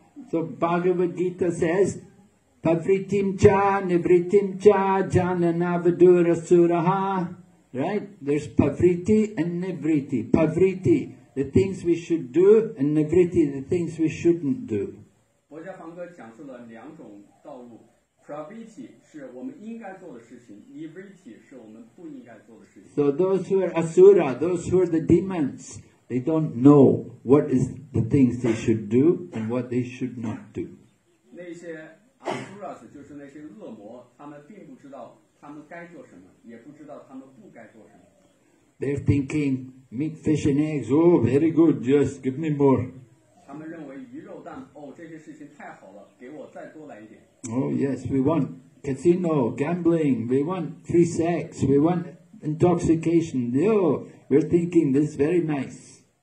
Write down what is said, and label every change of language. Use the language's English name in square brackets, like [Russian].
[English] So Bhagavad Gita says, [Sanskrit] Pavritim cha, Nivritim cha, Jananavadura suraha. [English] Right? There's Pavriti and Nivriti. Pavriti, the things we should do, and Nivriti, the things we shouldn't do. [Chinese] 佛家梵歌讲述了两种道路。 Pavriti 是我们应该做的事情， Nivriti 是我们不应该做的事情。 [English] So those who are asura, those who are the demons,They don't know what is the things they should do and what they should not do. [Chinese] 那些 asuras 就是那些恶魔，他们并不知道他们该做什么，也不知道他们不该做什么。 [English] They're thinking meat, fish, and eggs. Oh, very good. Just give me more. [Chinese] 他们认为鱼肉蛋，哦，这些事情太好了，给我再多来一点。 [English] Oh yes, we want casino, gambling. We want free sex. We want intoxication. No, we're thinking this is very nice.